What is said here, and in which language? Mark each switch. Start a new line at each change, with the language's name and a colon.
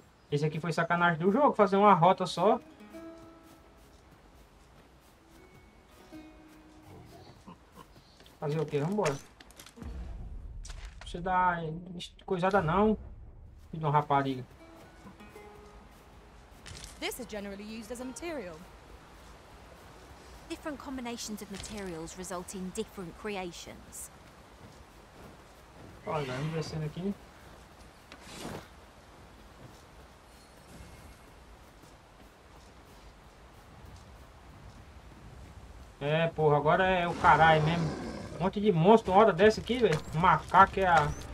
Portuguese: Esse aqui foi sacanagem do jogo, fazer uma rota só. Fazer o quê? Vambora. Você dá coisada não, de um rapariga.
English: This is generally used as a material. Different combinations of materials result in different creations.
Portuguese: Olha, vamos descendo aqui. É, porra, agora é o caralho mesmo. Um monte de monstro, uma hora dessa aqui, velho. O macaco é a.